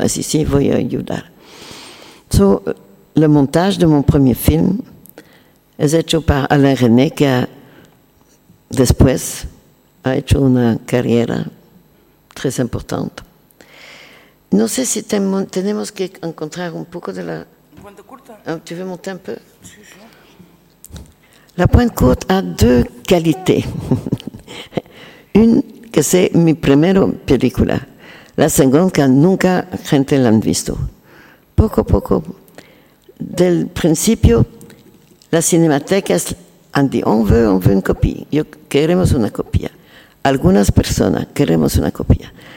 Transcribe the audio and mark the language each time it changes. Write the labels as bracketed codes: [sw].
[es] Así, sí, voy a ayudar. So, el montaje de mi primer film es hecho por Alain René, que después ha hecho una carrera muy importante. No sé si tenemos que encontrar un poco de la... [fr] Pointe courte. ¿Tú veux monter un peu? [es] Sí, sí. [fr] La pointe courte a 2 qualités. [es] Una, que es mi primera película. La segunda, que nunca gente la han visto. Poco. Del principio, la cinemateca han dicho, on veut una copia. Yo queremos una copia. Algunas personas queremos una copia.